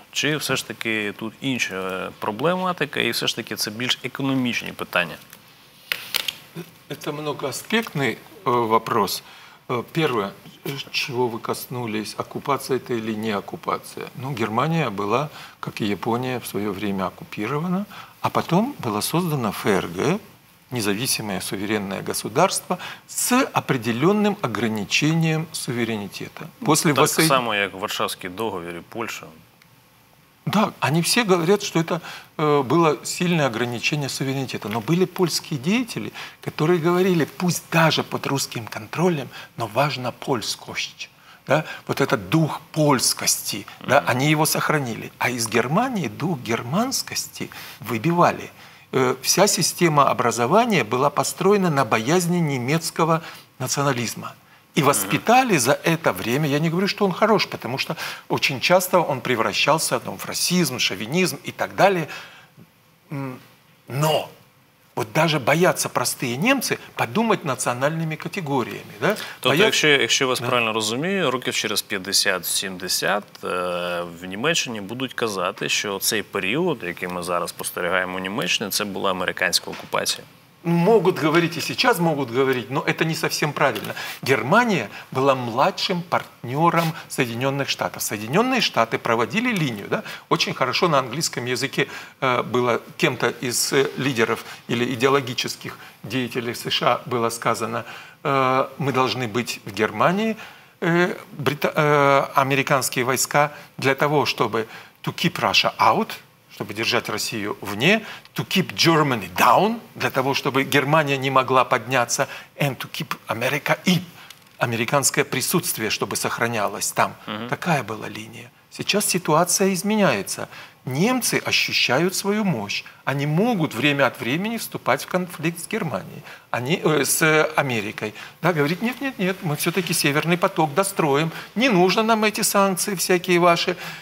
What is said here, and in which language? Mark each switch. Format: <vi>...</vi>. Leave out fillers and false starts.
<uk>Чи все ж таки тут інша проблематика і все ж таки це більш економічні питання? Це багатоаспектний</uk> <ru>вопрос. Первое, чего вы коснулись, оккупация это или не оккупация? Ну, Германия была, как и Япония, в свое время оккупирована, а потом было создано ФРГ, независимое суверенное государство, с определенным ограничением суверенитета. После так самое, как в Варшавский договор и Польша. Да, они все говорят, что это было сильное ограничение суверенитета. Но были польские деятели, которые говорили, пусть даже под русским контролем, но важна польскость. Да? Вот этот дух польскости, да? Они его сохранили. А из Германии дух германскости выбивали. Вся система образования была построена на боязни немецкого национализма. И воспитали за это время, я не говорю, что он хорош, потому что очень часто он превращался в расизм, шовинизм и так далее. Но вот даже боятся простые немцы подумать национальными категориями. Да?</ru> <uk>Тобто, якщо я вас правильно розумію, років через 50-70 в Німеччині будуть казати, що цей період, який ми зараз спостерігаємо у Німеччині, це була американська окупація.</uk> <ru>Могут говорить и сейчас могут говорить, но это не совсем правильно. Германия была младшим партнером Соединенных Штатов. Соединенные Штаты проводили линию. Да? Очень хорошо на английском языке было кем-то из лидеров или идеологических деятелей США было сказано, мы должны быть в Германии, американские войска, для того, чтобы</ru> <en>to keep Russia out,</en> <ru>чтобы держать Россию вне,</ru> <en>to keep Germany down,</en> <ru>для того, чтобы Германия не могла подняться,</ru> <en>and to keep America in,</en> <ru>американское присутствие, чтобы сохранялось там. Mm-hmm. Такая была линия. Сейчас ситуация изменяется. Немцы ощущают свою мощь. Они могут время от времени вступать в конфликт с Германией, с Америкой. Да, говорит, нет, мы все-таки Северный поток достроим, не нужно нам эти санкции всякие ваши.</ru>